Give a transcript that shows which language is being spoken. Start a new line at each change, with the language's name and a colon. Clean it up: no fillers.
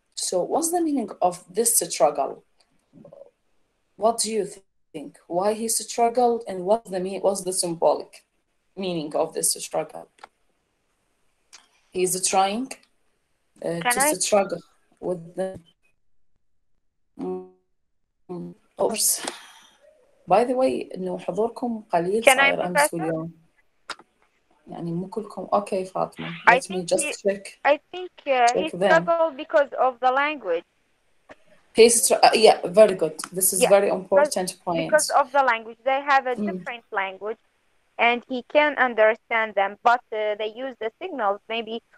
English: So what's the meaning of this struggle? What do you think? Why he struggled and what's the symbolic meaning of this struggle? He's trying. Just a struggle with the oops. By the way, no
Arabic: حضوركم قليل صار أمس اليوم. يعني مو كلكم.
English: Okay, Fatima. Let me just check. I think he struggled because of the language. Yeah, very good. This is very important point. Because of the language, they have a different language, and he can understand them. But they use the signals maybe.